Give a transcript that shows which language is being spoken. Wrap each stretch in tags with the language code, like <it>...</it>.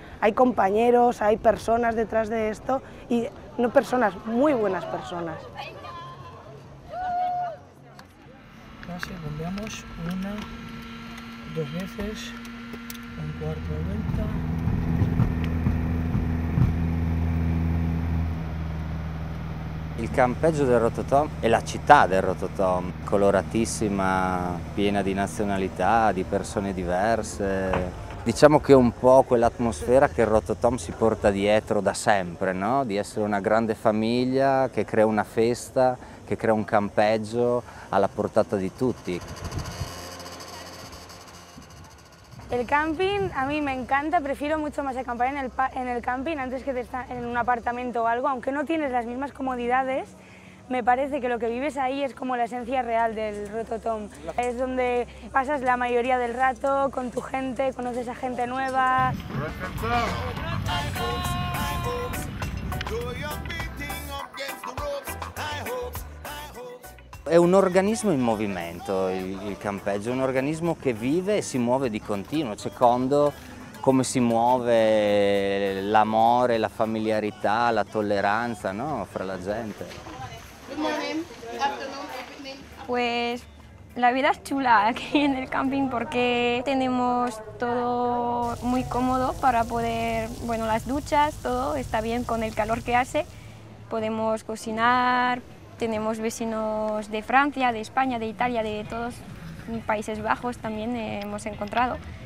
<es>Hay compañeros, hay personas detrás de esto, y no personas, muy buenas personas. Casi volvemos una, dos veces, un cuarto de vuelta.</es> <it>Il campeggio del Rototom è la città del Rototom, coloratissima, piena di nazionalità, di persone diverse. Diciamo che è un po' quell'atmosfera che il Rototom si porta dietro da sempre, no? Di essere una grande famiglia che crea una festa, che crea un campeggio alla portata di tutti.</it> <es>El camping a mí me encanta, prefiero mucho más acampar en el camping antes que estar en un apartamento o algo, aunque no tienes las mismas comodidades, me parece que lo que vives ahí es como la esencia real del Rototom. Es donde pasas la mayoría del rato con tu gente, conoces a gente nueva.</es> <it>È un organismo in movimento, il campeggio, un organismo che vive e si muove di continuo, secondo come si muove l'amore, la familiarità, la tolleranza, no? Fra la gente.</it> <es>Pues la vida es chula aquí en el camping porque tenemos todo muy cómodo para poder, bueno, las duchas, todo está bien con el calor que hace, podemos cocinar. Tenemos vecinos de Francia, de España, de Italia, de todos Países Bajos también hemos encontrado.</es>